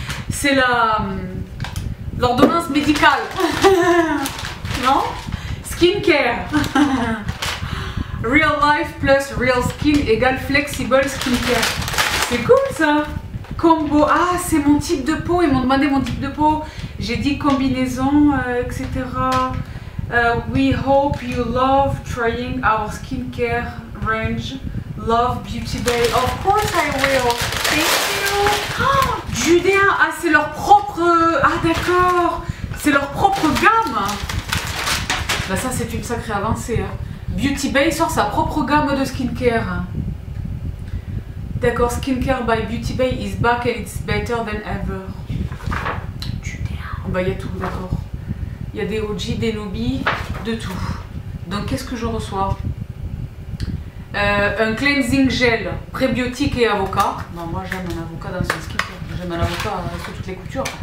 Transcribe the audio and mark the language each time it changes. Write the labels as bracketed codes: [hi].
[fr] C'est la... l'ordonnance médicale. Non? Skincare. [en] Real life plus real skin [fr] égale [en] flexible skincare. [fr] C'est cool ça. [en] Combo. [fr] Ah, c'est mon type de peau. Ils m'ont demandé mon type de peau. J'ai dit combinaison, etc. [en] We hope you love trying our skincare range. Love Beauty Bay. Of course I will. Thank you. Oh, Judéa. [fr] Ah, c'est leur propre. Ah, d'accord. C'est leur propre gamme. Bah, ça, c'est une sacrée avancée. Hein. Beauty Bay sort sa propre gamme de skincare. D'accord, [en] Skincare by Beauty Bay is back and it's better than ever. Judéa. [fr] Bah, il y a tout, d'accord. Il y a des OG, des noobies, de tout. Donc, qu'est-ce que je reçois? Un cleansing gel prébiotique et avocat. Non, moi j'aime un avocat dans son skin. J'aime un avocat sous toutes les coutures.